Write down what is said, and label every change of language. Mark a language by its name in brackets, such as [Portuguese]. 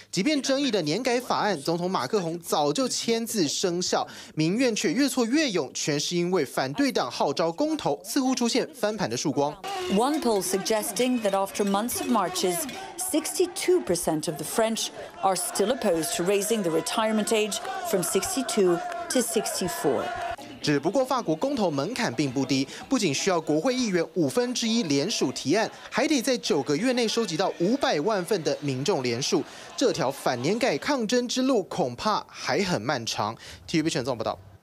[Chinese] 即便争议的年改法案，总统马克宏早就签字生效，民怨却越挫越勇，全是因为反对党号召公投，似乎出现翻盘的曙光。 [English] One poll suggesting that after months of marches, 62% of the French are still opposed to raising the retirement age from 62 to 64. [Chinese] 只不过法国公投门槛并不低，不仅需要国会议员1/5联署提案，还得在9个月内收集到500万份的民众联署。这条反年改抗争之路恐怕还很漫长。 TVB 陈总报道。